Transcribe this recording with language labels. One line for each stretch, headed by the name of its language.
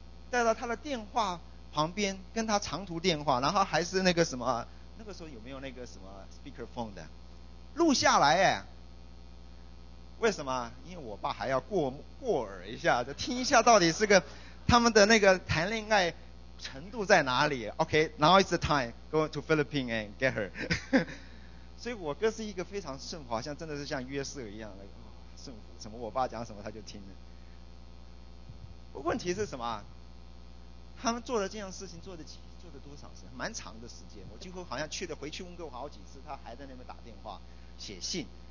Chinese: 带到他的电话旁边，跟他长途电话，然后还是那个什么，那个时候有没有那个什么 speaker phone 的，录下来哎。为什么？因为我爸还要过耳一下，就听一下到底是个他们的那个谈恋爱程度在哪里。
English: OK, now is the time go to Philippines and get her.
Chinese: 所以我哥是一个非常顺服，好像真的是像约瑟一样的顺服，什么我爸讲什么他就听了。问题是什么？他们做了这样事情做了多长时间？蛮长的时间，我几乎好像去了回去温哥华好几次，他还在那边打电话写信。